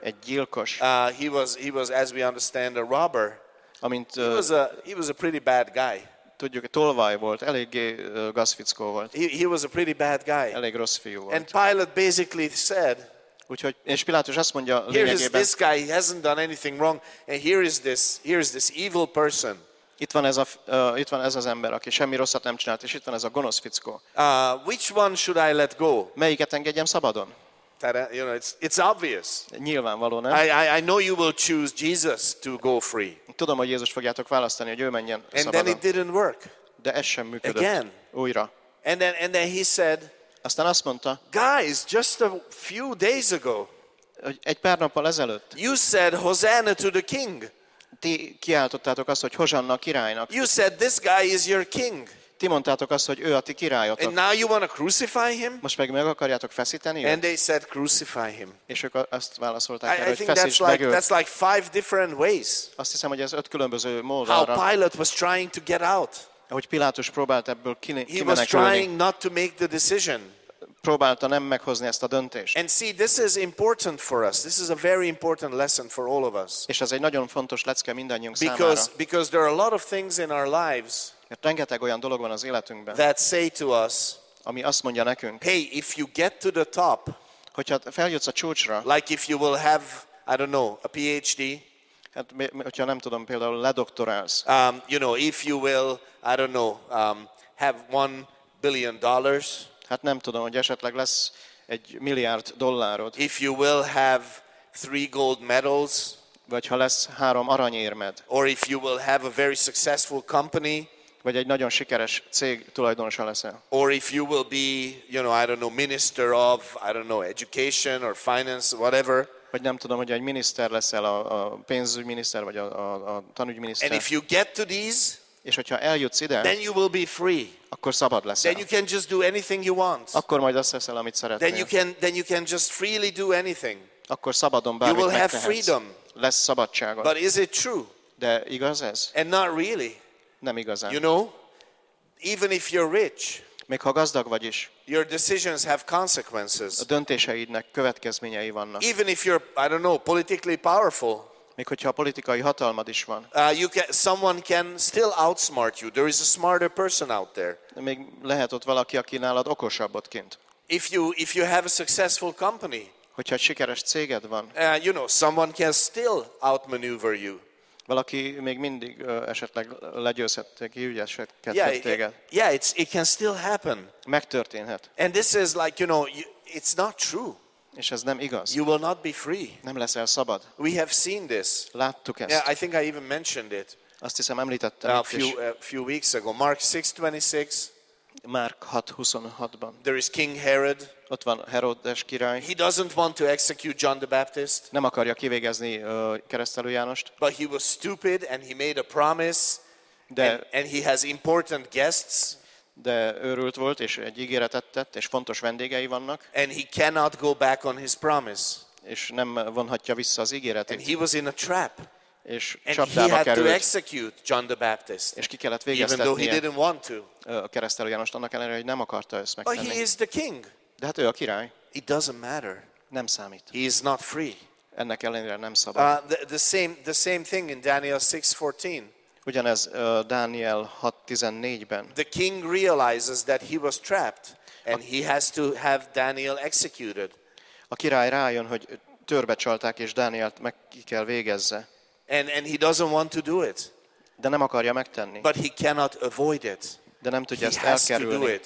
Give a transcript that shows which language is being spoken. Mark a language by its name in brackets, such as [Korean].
[Hungarian] Egy gyilkos. [English] He was as we understand a robber. [Hungarian] Amint [English] he was a pretty bad guy. [Hungarian] Tudjuk, tolvaj volt, eléggé gazfickó volt. [English] He was a pretty bad guy. [Hungarian] Elég rossz fiú volt. [English] And Pilate basically said, [Hungarian] úgyhogy, és Pilátus azt mondja lényegében, [English] here is this guy, he hasn't done anything wrong, and here is this evil person. [Hungarian] Itt van ez az ember, aki semmi rosszat nem csinált, és itt van ez a gonosz fickó. [English] Which one should I let go? [Hungarian] Melyiket engedjem szabadon? [English] You know, it's obvious. [Hungarian] Nyilvánvaló, nem? [English] I know you will choose Jesus to go free. [Hungarian] Tudom, hogy Jézus fogjátok választani, hogy ő menjen szabadon. [English] And then it didn't work. [Hungarian] De ez sem működött. [English] Again. [Hungarian] Újra. [English] And then he said, [Hungarian] aztán azt mondta, [English] guys, just a few days ago, [Hungarian] egy pár nappal ezelőtt, [English] you said Hosanna to the king. [Hungarian] Ti kiáltottátok azt, hogy Hosanna a királynak. [English] You said this guy is your king. [Hungarian] Ti mondtátok azt, hogy ő a ti királyotok. [English] And now you want to crucify him? [Hungarian] Most meg akarjátok feszíteni őt? [English] And they said crucify him. [Hungarian] És ők azt válaszolták, hogy feszítsd meg őt. [English] I think that's like five different ways. [Hungarian] Azt hiszem, hogy ez öt különböző módra. [English] How Pilate was trying to get out. [Hungarian] Ahogy Pilátus próbált ebből kimenekülni. [English] He was trying not to make the decision. [Hungarian] Próbálta nem meghozni ezt a döntést. [English] And see, this is important for us. This is a very important lesson for all of us. [Hungarian] És ez egy nagyon fontos lecke mindannyiunk számára. [English] Because there are a lot of things in our lives. [Hungarian] Rengeteg olyan dolog van az életünkben. [English] That say to us. [Hungarian] Ami azt mondja nekünk. [English] Hey, if you get to the top. [Hungarian] Hogyha feljutsz a csúcsra. [English] Like if you will have, I don't know, a PhD. [Hungarian] Hát, hogyha nem tudom, például ledoktorálsz. [English] You know, if you will, I don't know, have $1 billion. [Hungarian] Hát nem tudom, hogy esetleg lesz egy milliárd dollárod. [English] If you will have 3 gold medals. [Hungarian] Vagy ha lesz 3 aranyérmed. [English] Or if you will have a very successful company. [Hungarian] Vagy egy nagyon sikeres cég tulajdonosa leszel. [English] Or if you will be, you know, I don't know, minister of, I don't know, education or finance, whatever. [Hungarian] Vagy nem tudom, hogy egy miniszter leszel, a pénzügyminiszter, vagy a tanügyminiszter. [English] And if you get to these, [Hungarian] és hogyha eljutsz ide, [English] then you will be free. [Hungarian] Akkor szabad leszel. [English] Then you can just do anything you want. [Hungarian] Akkor majd azt teszel, amit szeretnél. [English] Then you can just freely do anything. [Hungarian] Akkor szabadon bármit [English] you will have freedom. [Hungarian] Lesz szabadságod. [English] But is it true? [Hungarian] De igaz ez? [English] And not really. [Hungarian] Nem igazán. [English] You know, even if you're rich, [Hungarian] még ha gazdag vagy is, [English] your decisions have consequences. [Hungarian] A döntéseidnek következményei vannak. [English] Even if you're, I don't know, politically powerful. [Hungarian] Még hogyha politikai hatalmad is van. [English] Someone can still outsmart you. There is a smarter person out there. [Hungarian] Még lehet ott valaki, aki nálad okosabbat kint. [English] If you have a successful company. [Hungarian] Hogyha sikeres céged van. [English] You know, someone can still outmaneuver you. [Hungarian] Valaki még mindig esetleg legyőzhette ki, ügyeskedhet téged. [English] Yeah, it can still happen. [Hungarian] Megtörténhet. [English] And this is like, you know, it's not true. [Hungarian] És ez nem igaz. [English] You will not be free. [Hungarian] Nem leszel szabad. [English] We have seen this. [Hungarian] Láttuk ezt. [English] Yeah, I think I even mentioned it. [Hungarian] Azt hiszem említettem a [English] few weeks ago. Mark 6:26. [Hungarian] Mark 6:26-ban. [English] There is King Herod. [Hungarian] Ott van Herodes király. [English] He doesn't want to execute John the Baptist. [Hungarian] Nem akarja kivégezni Keresztelő Jánost. [English] But he was stupid and he made a promise. And he has important guests. [Hungarian] De őrült volt és egy ígéretet tett és fontos vendégei vannak. [English] And he cannot go back on his promise. [Hungarian] És nem vonhatja vissza az ígéretét. [English] And he was in a trap. [Hungarian] És csapdába került. [English] To execute John the Baptist. [Hungarian] És ki kellett végeztetnie. [English] Even though he didn't want to. [Hungarian] A Keresztelő János annak ellenére, hogy nem akarta ezt megtenni. [English] But he is the king. [Hungarian] De hát ő a király. [English] It doesn't matter. [Hungarian] Nem számít. [English] He is not free. [Hungarian] Ennek ellenére nem szabad. [English] The same thing in Daniel 6:14. [Hungarian] Ugyanez Dániel 6:14-ben. [English] The king realizes that he was trapped and he has to have Daniel executed. [Hungarian] A király rájön, hogy törbecsalták és Dánielt meg kell végezze. [English] And he doesn't want to do it. [Hungarian] De nem akarja megtenni. [English] But he cannot avoid it. [Hungarian] De nem tudja ezt elkerülni.